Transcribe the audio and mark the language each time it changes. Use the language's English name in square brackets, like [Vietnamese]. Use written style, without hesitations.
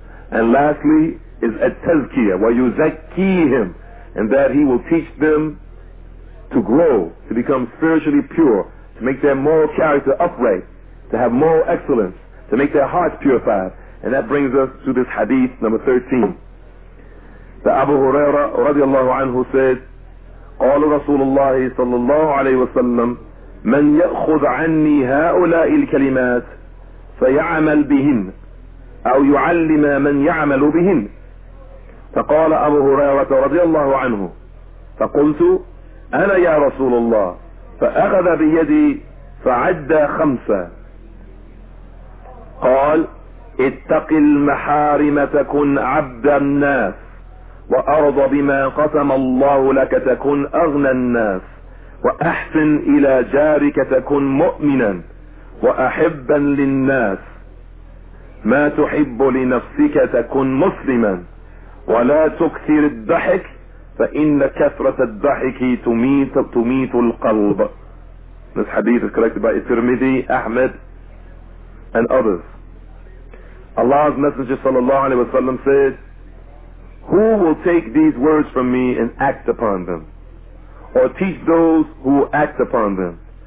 [English] And lastly, is at-tazkiyah, وَيُزَكِّيهِمْ, and that He will teach them to grow, to become spiritually pure, to make their moral character upright, to have moral excellence, to make their hearts purified. And that brings us to this hadith number 13. The Abu Huraira radiallahu anhu said, [Arabic] قال رسول الله صلى الله عليه وسلم من يأخذ عني هؤلاء الكلمات فيعمل بهن أو يعلم من يعمل بهن فقال أبو هريرة رضي الله عنه فقلت أنا يا رسول الله، فأخذ بيدي فعد خمسة قال اتق المحارم تكن عبد الناس، وأرض بما قسم الله لك تكن أغنى الناس، وأحسن إلى جارك تكن مؤمنا وأحبا للناس، ما تحب لنفسك تكن مسلما، ولا تكثر الضحك فإن كثرة الضحك تميت القلب. [English] This hadith is collected by Tirmidhi, Ahmed and others. Allah's Messenger sallallahu alayhi wa sallam said, who will take these words from me and act upon them, or teach those who act upon them?